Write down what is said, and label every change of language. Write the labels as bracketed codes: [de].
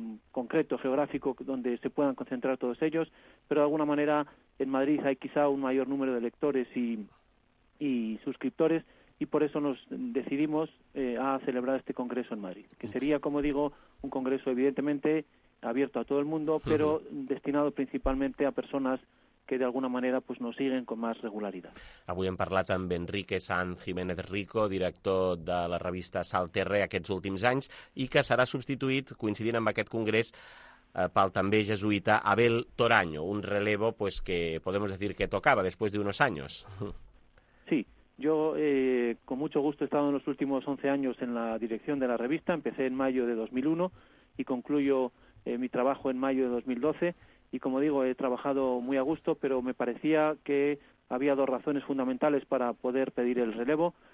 [es] concreto geográfico donde se puedan concentrar todos ellos, pero de alguna manera en Madrid hay quizá un mayor número de lectores y suscriptores, y por eso nos decidimos a celebrar este congreso en Madrid, que sería, como digo, un congreso evidentemente abierto a todo el mundo, pero destinado principalmente a personas que de alguna manera pues nos siguen con más regularidad. [ca] Avui hem parlat amb Enrique Sanz Jiménez Rico, director de la revista Salterrae aquests últims anys, i que serà substituït, coincidint amb aquest congrés, pel també jesuïta Abel Toraño, [es] un relevo pues, que podemos decir [ca] que tocava després d'uns anys. [es] Sí, Yo, con mucho gusto, he estado en los últimos 11 años en la dirección de la revista. Empecé en mayo de 2001 y concluyo mi trabajo en mayo de 2012. Y, como digo, he trabajado muy a gusto, pero me parecía que había dos razones fundamentales para poder pedir el relevo.